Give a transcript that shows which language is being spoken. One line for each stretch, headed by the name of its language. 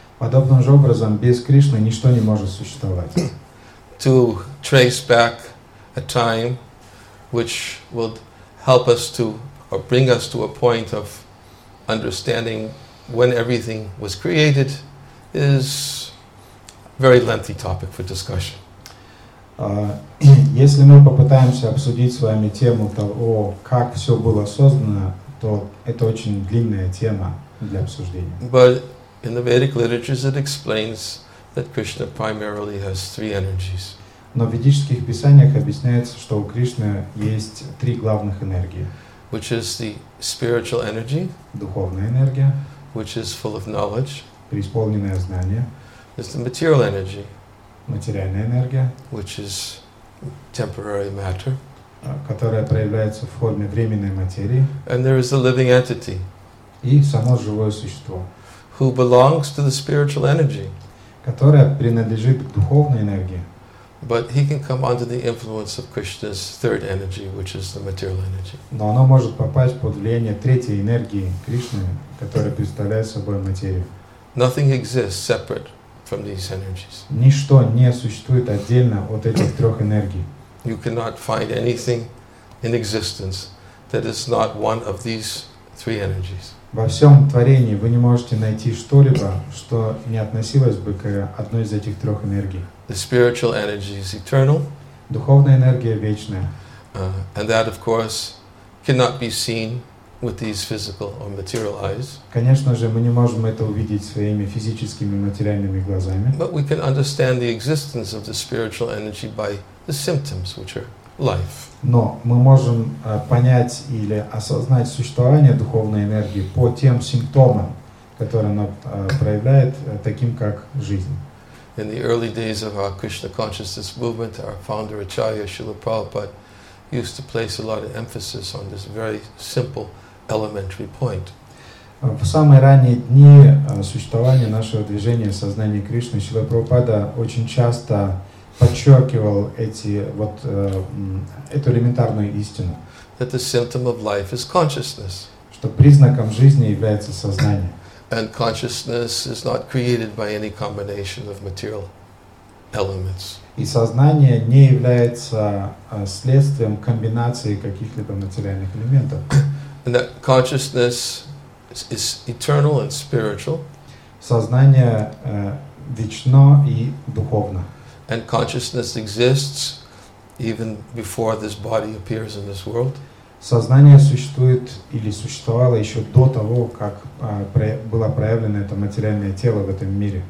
Russian: Подобным же образом, без Кришны ничто не может существовать.
English: To trace back a time which would help us to or bring us to a point of understanding when everything was created is a very lengthy topic for discussion.
Russian: Если мы попытаемся обсудить с вами тему того, как все было создано, то это очень длинная тема для обсуждения.
English: But in the Vedic literatures it explains that Krishna primarily has three energies.
Russian: Но в ведических писаниях объясняется, что у Кришны есть три главных энергии.
English: Which is the spiritual energy.
Russian: Духовная энергия.
English: Which is full of knowledge.
Russian: Преисполненное знание.
English: It's the material energy.
Russian: Материальная энергия.
English: Which is temporary matter.
Russian: Которая проявляется в форме временной материи.
English: And there is a living entity.
Russian: И само живое существо.
English: Who belongs to the spiritual energy.
Russian: Которая принадлежит духовной энергии.
English: But he can come under the influence of Krishna's third energy, which is the material energy.
Russian: Но оно может попасть под влияние третьей энергии Кришны, которая представляет собой материю.
English: Nothing exists separate from these energies.
Russian: Ничто не существует отдельно от этих трех энергий.
English: You cannot find anything in existence that is not one of these three energies.
Russian: Во всем творении вы не можете найти что-либо, что не относилось бы к одной из этих трех энергий.
English: The spiritual energy is eternal.
Russian: Духовная энергия вечная.
English: And that, of course, cannot be seen with these physical or material eyes.
Russian: Конечно же, мы не можем это увидеть своими физическими материальными глазами.
English: But we can understand the existence of the spiritual energy by the symptoms, which are life.
Russian: Но мы можем понять или осознать существование духовной энергии по тем симптомам, которые она проявляет, таким как жизнь.
English: In the early days of our Krishna consciousness movement, our founder Acharya Srila Prabhupada used to place a lot of emphasis on this very simple, elementary point.
Russian: В самые ранние дни существования нашего движения сознания Кришны Шрила Прабхупада очень часто подчеркивал эту элементарную истину.
English: That the symptom of life is consciousness.
Russian: Что признаком жизни является сознание.
English: And consciousness is not created by any combination of material elements.
Russian: И сознание не является следствием комбинации каких-либо материальных элементов.
English: And that consciousness is eternal and spiritual.
Russian: Сознание вечно и духовно.
English: And consciousness exists even before this body appears in this world.
Russian: Сознание существует или существовало еще до того, как было проявлено это материальное тело в этом мире.